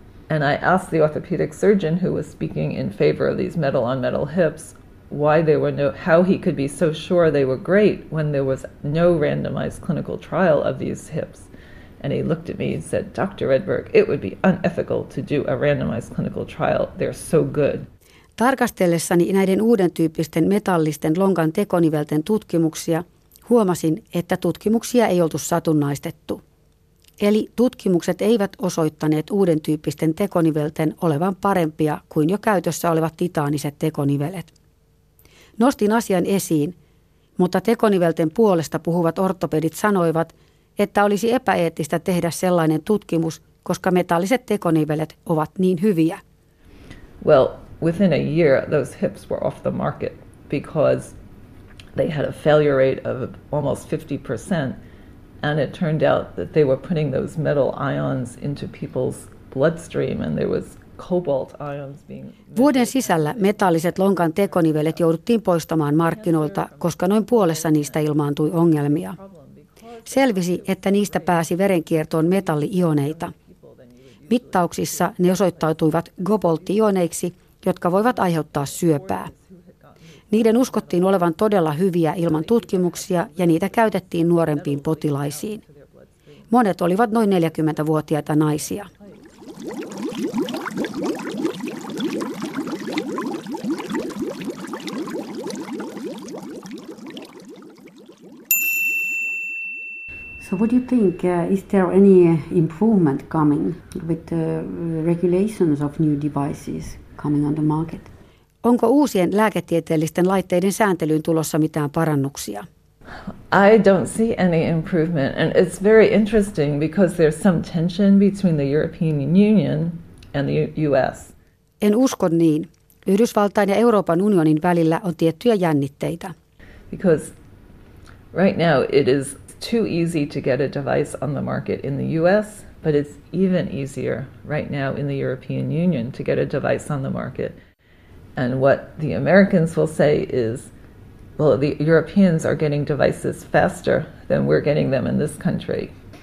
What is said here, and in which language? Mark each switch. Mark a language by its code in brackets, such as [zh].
[en] And I asked the orthopedic surgeon who was speaking in favor of these metal on metal hips, why there were no, how he could be so sure they were great when there was no randomized clinical trial of these hips. And he looked at me and said, Dr. Redberg, it would be unethical to do a randomized clinical trial. They're so good. [fi] Tarkastellessani näiden uuden tyyppisten metallisten lonkan tekonivelten tutkimuksia, huomasin, että tutkimuksia ei oltu satunnaistettu. Eli tutkimukset eivät osoittaneet uuden tyyppisten tekonivelten olevan parempia kuin jo käytössä olevat titaaniset tekonivelet. Nostin asian esiin, mutta tekonivelten puolesta puhuvat ortopedit sanoivat, että olisi epäeettistä tehdä sellainen tutkimus, koska metalliset tekonivelet ovat niin hyviä. Well, within a year those hips were off the market because they had a failure rate of almost 50%, and it turned out that they were putting those metal ions into people's bloodstream and there was cobalt ions being. Vuoden sisällä metalliset lonkan tekonivelet jouduttiin poistamaan markkinoilta, koska noin puolessa niistä ilmaantui ongelmia. Selvisi, että niistä pääsi verenkiertoon metalliioneita. Mittauksissa ne osoittautuivat kobolttioneiksi, jotka voivat aiheuttaa syöpää. Niiden uskottiin olevan todella hyviä ilman tutkimuksia ja niitä käytettiin nuorempiin potilaisiin. Monet olivat noin 40-vuotiaita naisia. [en] So what do you think, is there any improvement coming with the regulations of new devices coming on the market? [fi] Onko uusien lääketieteellisten laitteiden sääntelyyn tulossa mitään parannuksia? [en] I don't see any improvement, and it's very interesting because there's some tension between the European Union and the US. [fi] En usko niin. Yhdysvaltain ja Euroopan unionin välillä on tiettyjä jännitteitä. [en] Because right now it is too easy to get a device on the market in the US, but it's even easier right now in the European Union to get a device on the market. And what the Americans will say is, well, the Europeans are getting devices faster than we're getting them in this country.